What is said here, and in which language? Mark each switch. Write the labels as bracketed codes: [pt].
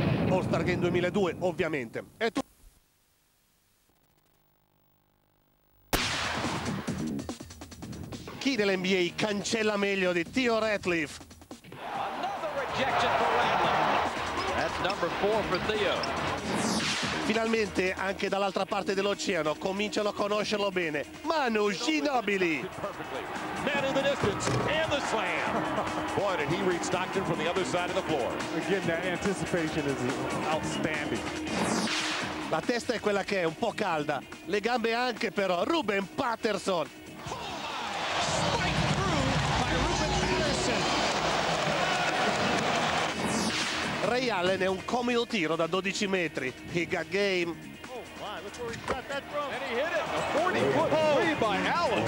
[it] All-Star Game 2002, ovviamente. È chi dell'NBA cancella meglio di Theo Ratliff? [en] Another rejection for Ratliff. That's number 4 for Theo. [it] Finalmente anche dall'altra parte dell'oceano cominciano a conoscerlo bene. Manu Ginobili. [en] Man in the distance and the slam. Boy, did he reach Stockton from the other side of the floor. Again, that anticipation is outstanding. [it] La testa è quella che è, un po' calda. Le gambe anche però. Ruben Patterson. Ray Allen è un comodo tiro da 12 metri. [en] He got game. Oh my, look where he got that from. And he hit it. A 40-foot three by Allen.